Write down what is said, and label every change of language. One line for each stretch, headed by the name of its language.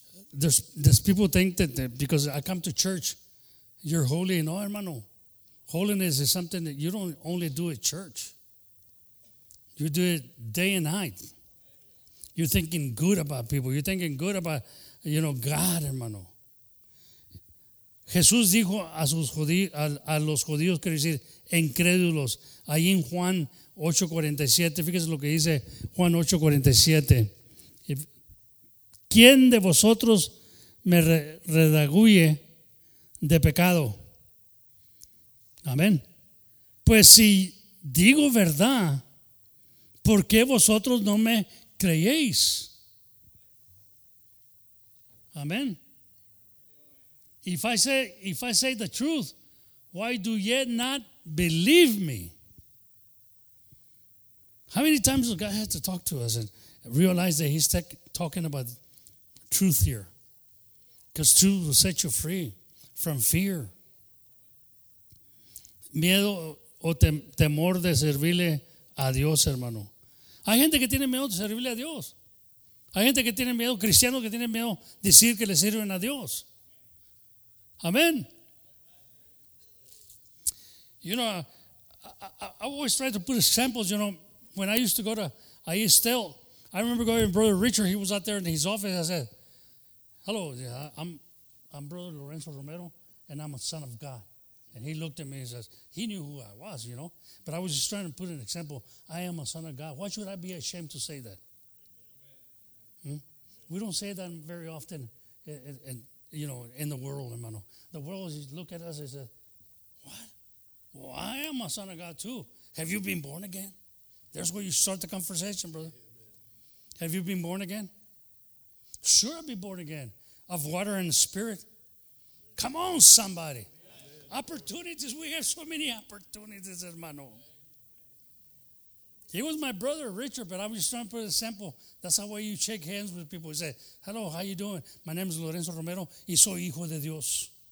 English: There's people think that because I come to church, you're holy. No, hermano. Holiness is something that you don't only do at church. You do it day and night. You're thinking good about people. You're thinking good about, you know, God, hermano.
Spanish: Jesús dijo a sus judíos, a los judíos, quiero decir, incrédulos, ahí en Juan 8:47, fíjese lo que dice Juan 8:47. ¿Quién de vosotros me redarguye de pecado? Amén. Pues si digo verdad, ¿por qué vosotros no me creéis? Amén.
English: If I say the truth, why do ye not believe me? How many times has God had to talk to us and realize that he's talking about truth here? Because truth will set you free from fear.
Spanish: Miedo o temor de servirle a Dios, hermano. Hay gente que tiene miedo de servirle a Dios. Hay gente que tiene miedo, cristianos que tienen miedo de decir que le sirven a Dios.
English: Amen. You know, I always try to put examples, you know, when I used to go to Estel, I remember going to Brother Richard, he was out there in his office, I said, hello, I'm Brother Lorenzo Romero, and I'm a son of God. And he looked at me and says, he knew who I was, you know, but I was just trying to put an example, I am a son of God. Why should I be ashamed to say that? We don't say that very often you know, in the world, hermano. The world is look at us and say, what? Well, I am a son of God too. Have you been born again? There's where you start the conversation, brother. Amen. Have you been born again? Sure, I'll be born again. Of water and spirit. Amen. Come on, somebody. Amen. Opportunities. We have so many opportunities, hermano. He was my brother, Richard, but I'm just trying to put a sample. That's how you shake hands with people. You say, hello, how you doing? My name is
Spanish: Lorenzo Romero, y soy hijo de Dios.